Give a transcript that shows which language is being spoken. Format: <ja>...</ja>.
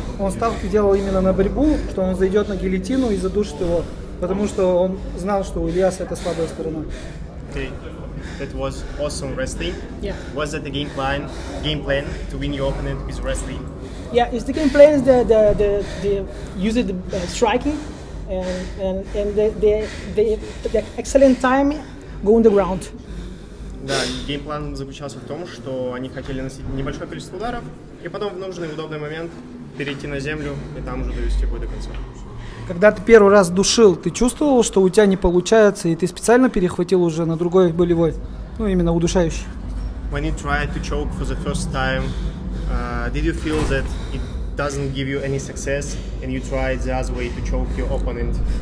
<ru>Он ставки делал именно на борьбу, что он зайдет на гильотину и задушит его, потому что он знал, что у Ильяса это слабая сторона.</ru> <en>Okay, that was awesome wrestling. Yeah. Was that the game plan to win your opponent with wrestling? Yeah, is the game plan the use the striking and the excellent time go on the ground.</en> <ru>Да, геймплан заключался в том, что они хотели наносить небольшое количество ударов и потом в нужный удобный момент перейти на землю и там уже довести бой до конца. Когда ты первый раз душил, ты чувствовал, что у тебя не получается, и ты специально перехватил уже на другой болевой, ну именно удушающий?</ru> <en>When you tried to choke for the first time, did you feel that it doesn't give you any success and you tried the other way to choke your opponent?</en>